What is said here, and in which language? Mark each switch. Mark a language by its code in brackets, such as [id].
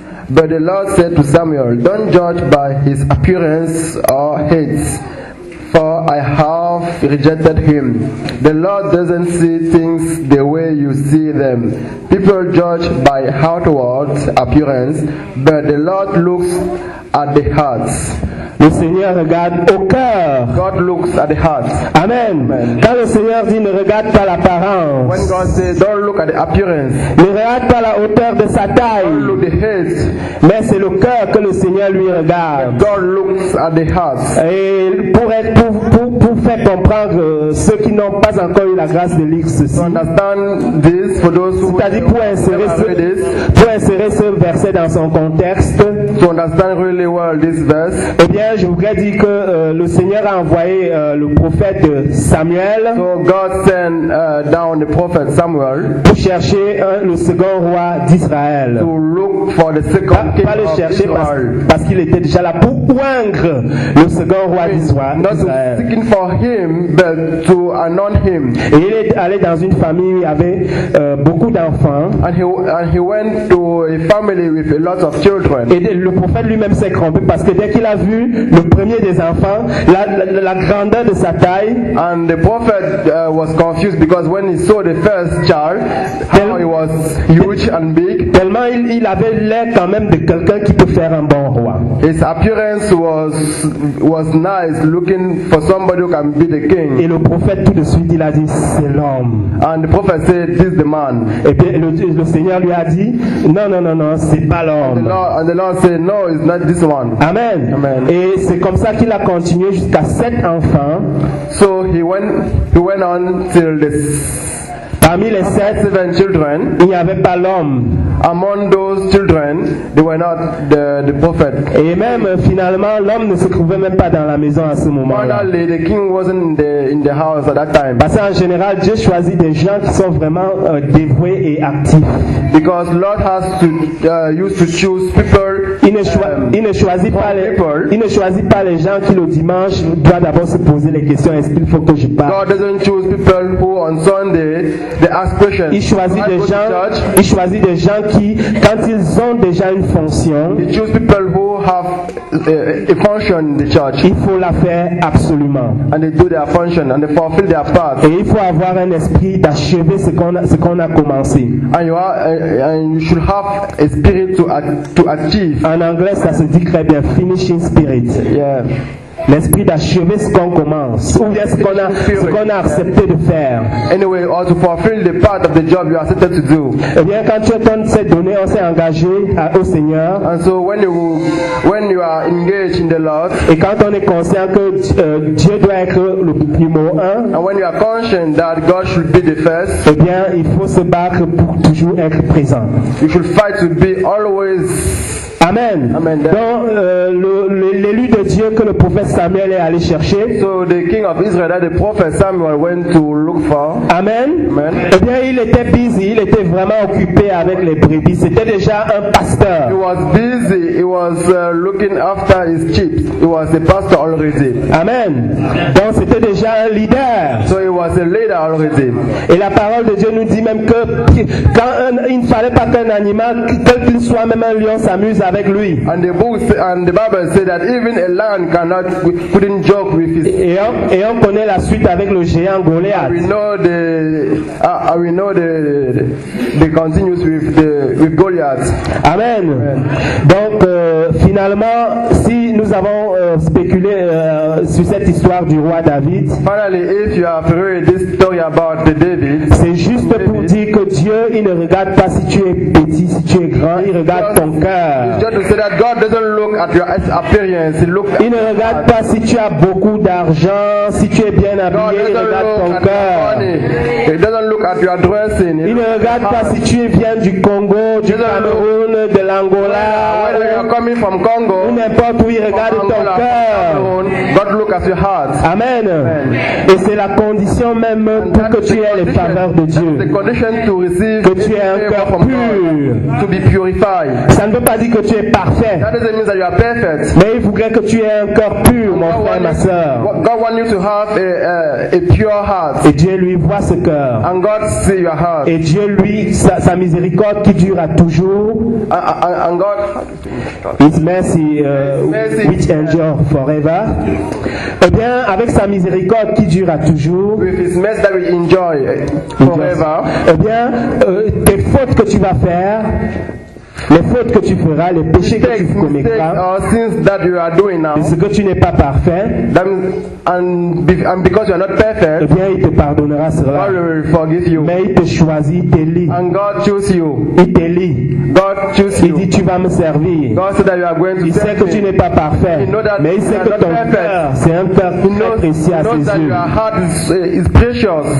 [en] But the Lord said to Samuel, don't judge by his appearance or heads, for I have rejected him. The Lord doesn't see things the way you see them. People judge by outward appearance, but the Lord looks at the hearts. [fr] Le Seigneur regarde au cœur. [en] God looks at the heart. Amen. Amen. [fr] Quand le Seigneur dit ne regarde pas l'apparence. [en] When God says don't look at the appearance. [fr] Ne regarde pas la hauteur de sa taille. [en] Don't look the head. [fr] Mais c'est le cœur que le Seigneur lui regarde. [en] God looks at the heart. [fr] Et pour faire comprendre ceux qui n'ont pas encore eu la grâce de lire ceci. [en] To understand this for those who [fr] c'est-à-dire pour insérer ce verset dans son contexte. [en] To understand really well this verse. [fr] Eh bien, je voudrais dire que le Seigneur a envoyé le prophète Samuel. [en] So God sent down the prophet Samuel [fr] pour chercher le second roi d'Israël. [en] To look for the second king. [fr] Pas le chercher parce qu'il était déjà là pour oindre le second roi d'Israël. [en] Not seeking for him, but to anoint him. [fr] Et il est allé dans une famille où il y avait beaucoup d'enfants. [en] And he went to a family with a lot of children. [fr] Et le prophète lui-même s'est crampé parce que dès qu'il a vu le premier des enfants, la grandeur de sa taille. [en] And the prophet was confused because when he saw the first child, how he was huge and big. [fr] Tellement il avait l'air quand même de quelqu'un qui peut faire un bon roi. [en] His appearance was nice, looking for somebody who can be the king. [fr] Et le prophète tout de suite il a dit c'est l'homme. [en] And the prophet said this is the man. [fr] Et puis le Seigneur lui a dit non c'est pas l'homme. [en] And the Lord said no, it's not this one. Amen. Amen. [fr] Et c'est comme ça qu'il a continué jusqu'à 7 enfants. [en] So he went on till this [fr] Parmi les sept, [en] seven children, [fr] il n'y avait pas l'homme. [en] Among those children, they were not the prophet. [fr] Et même finalement, l'homme ne se trouvait même pas dans la maison à ce moment-là. [en] Finally, the king wasn't in the house at that time. [fr] Parce qu'en général, Dieu choisit des gens qui sont vraiment dévoués et actifs. [en] Because Lord has to used to choose people. [fr] Il ne choisit pas les gens qui le dimanche doivent d'abord se poser les questions. Est-ce qu'il faut que je parle? [en] God doesn't choose people who on Sunday they ask questions. [fr] Il choisit des gens qui, quand ils ont déjà une fonction, [en] he choose people who have a function in the church. [fr] Il faut la faire absolument. [en] And they do their function and they fulfill their part. [fr] Et il faut avoir un esprit d'achever ce qu'on a commencé. [en] And you should have a spirit to achieve. [fr] En anglais, ça se dit très bien, [en] finishing spirit. Yeah. [fr] L'esprit d'achever ce qu'on commence, ou bien ce qu'on a accepté de faire. [en] Anyway, or to fulfill the part of the job you are accepted to do. [fr] Et bien, quand tu as donné, on s'est engagé au Seigneur. [en] And so when you are engaged in the Lord. [fr] Et quand on est conscient que Dieu doit être le numéro un. [en] And when you are conscient that God should be the first. [fr] Et bien, il faut se battre pour toujours être présent. [en] You should fight to be always. Amen. Amen. [fr] Donc, l'élu de Dieu que le prophète Samuel est allé chercher. [en] So the king of Israel, the prophet Samuel went to look for. Amen. Amen. [fr] Eh bien, il était busy. Il était vraiment occupé avec les brebis. C'était déjà un pasteur. [en] He was busy. He was looking after his sheep. He was a pastor already. Amen. [fr] Donc, c'était déjà un leader. [en] So he was a leader already. [fr] Et la parole de Dieu nous dit même que quand il ne fallait pas qu'un animal, quel qu'il soit, même un lion s'amuse avec lui. [en] And the Bible says that even a lion cannot couldn't joke with his. [fr] Et on connaît la suite avec le géant Goliath. [en] We know the continues with Goliath. Amen. [fr] Donc finalement, si nous avons spéculé sur cette histoire du roi David. [en] Finally, if you have read this story about the David. [fr] C'est juste David, pour dire que Dieu, il ne regarde pas si tu es petit, si tu es grand, il regarde ton cœur. [en] Just to say that God doesn't look at your appearance. He looks. [fr] Il ne regarde pas si tu as beaucoup d'argent, si tu es bien habillé. [en] God doesn't [fr] regarde [en] look [fr] ton [en] at your money. He doesn't look at your dressing. [fr] Il ne regarde pas si tu viens du Congo, du Cameroun, de l'Angola. [en] Whether you're coming from Congo. [fr] Ou n'importe où, il regarde ton cœur. [en] God looks at your heart. Amen. [fr] Et c'est la condition même pour que tu aies les faveurs de Dieu. [en] The condition to receive. [fr] Que tu aies un cœur pur. [en] To be purified. [fr] Ça ne veut pas dire que tu es parfait. [en] That doesn't mean that you are perfect. [fr] Mais il voudrait que tu aies un cœur pur, mon frère, ma sœur. [en] God wants you to have a pure heart. [fr] Et Dieu lui voit ce cœur. [en] And God sees your heart. [fr] Et Dieu lui sa miséricorde qui dure à toujours. [en] And God, His mercy, mercy which endures forever. [fr] Eh bien, avec sa miséricorde qui dure à toujours. [en] With His mercy that we enjoy forever. [fr] Eh bien, tes fautes que tu vas faire. Les fautes que tu feras, les péchés que tu commettras, [en] that you are doing now, [fr] parce que tu n'es pas parfait, [en] and because you are not perfect, [fr] eh bien il te pardonnera cela. [en] God will forgive you. [fr] Mais il te choisit, il t'élit. [en] And God choose you. [fr] Il t'élit. [en] God choose you. [fr] Il dit tu vas me servir. [en] God said that you are going to [fr] il sait que [en] me. [fr] Tu n'es pas parfait, [en] you know that [fr] mais il sait que ton cœur, c'est un cœur très précieux à ses yeux. [en] That your heart is precious.